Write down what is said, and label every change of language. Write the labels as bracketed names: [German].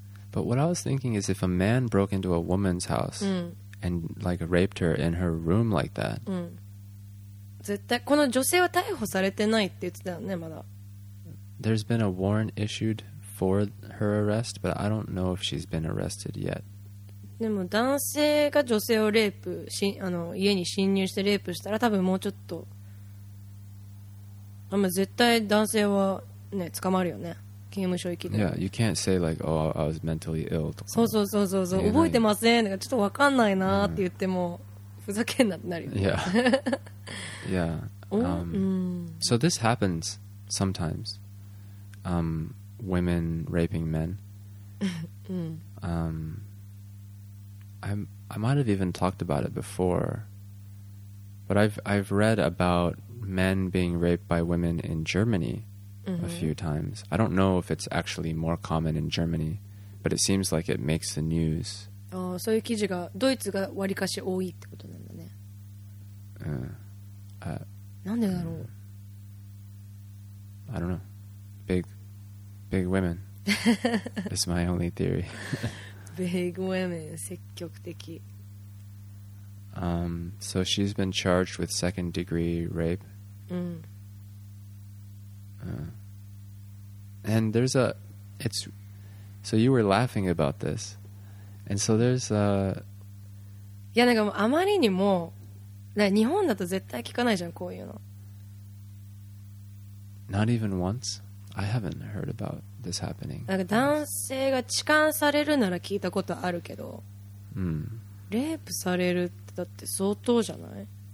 [English] But what I was thinking is if a man broke into a woman's house and like raped her in her room like that. [Japanese] 絶対この女性は逮捕されてないって言ってたよね、まだ。 [English] There's been a warrant issued for her arrest, but I don't know if she's been arrested yet. [Japanese] でも男性が女性をレイプし、あの、家に侵入してレイプしたら多分もうちょっと。まあ、絶対男性はね、捕まるよね。刑務所行きで。 [English] Yeah, you can't say like, oh, I was mentally ill とか。 [Japanese] そうそうそうそうそう、覚えてませんとか、ちょっとわかんないなって言っても。ふざけんなってなるよね。 [English] Yeah. Yeah. So this happens sometimes. Women raping men. I might have even talked about it before. But I've read about men being raped by women in Germany a few times. I don't know if it's actually more common in Germany, but it seems like it makes the news. [Japanese] ああ、そういう記事がドイツがわりかし多いってことね。なんでだろう。 [English] I don't know. Big women. It's my only theory. Big women, [Japanese] 積極的。 [English] So she's been charged with second degree rape. And there's a, it's, so you were laughing about this, and so there's a. [Japanese] いやなんかあまりにも。日本だと絶対聞かないじゃん、こういうの。 [English] Not even once? I haven't heard about this happening. [Japanese] なんか男性が痴漢されるなら聞いたことあるけど、レイプされるってだって相当じゃない？